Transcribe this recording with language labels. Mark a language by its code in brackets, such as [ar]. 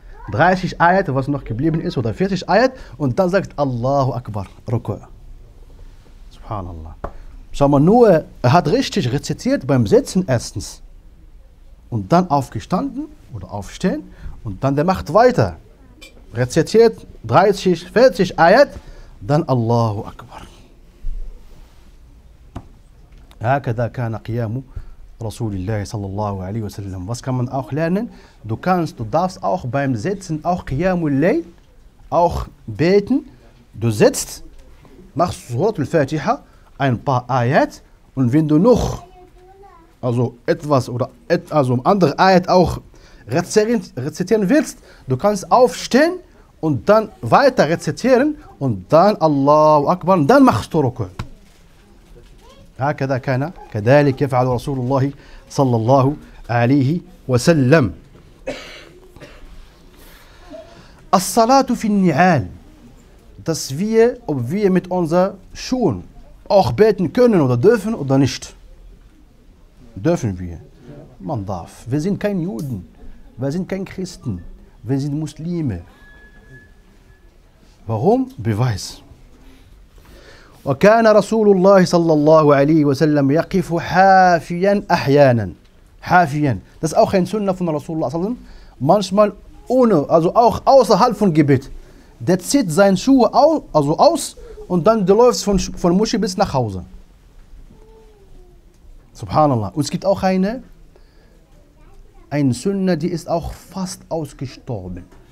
[de] 30 Ayat, was noch geblieben ist, oder 40 Ayat, und dann sagt Allahu Akbar, Ruku'. Subhanallah. Schau mal, nur er hat richtig rezitiert beim Sitzen erstens und dann aufgestanden oder aufstehen und dann der macht weiter. Rezitiert 30, 40 Ayat, dann Allahu Akbar. [ar] هكذا كان قيام رسول الله صلى الله عليه وسلم. [de] Was kann man auch lernen? Du kannst, du darfst auch beim Sitzen auch قيام الليل auch beten. Du sitzt, machst Surat al-Fatiha, ein paar Ayat, und wenn du noch also etwas oder also andere Ayat auch rezitieren willst, du kannst aufstehen und dann weiter rezitieren und dann Allahu Akbar, und dann machst du Ruku. [ar] هكذا كان كذلك يفعل رسول الله صلى الله عليه وسلم الصلاة في النعال. [de] Dass wir, ob wir mit unseren Schuhen auch beten können oder dürfen oder nicht. Dürfen wir. Man darf. Wir sind kein Juden. Wir sind kein Christen. Wir sind Muslime. Warum? Beweis. [ar] وكان رسول الله صلى الله عليه وسلم يقف حافيا احيانا حافيا. [de] Das auch ein Sunnah von Rasulullah [ar] صلى الله عليه وسلم. [de] Manchmal ohne, also auch außerhalb von Gebet. Der zieht seine Schuhe aus, also aus, und dann der läuft von Muschi bis nach Hause. Subhanallah. Und es gibt auch eine Sunnah, die ist auch fast ausgestorben.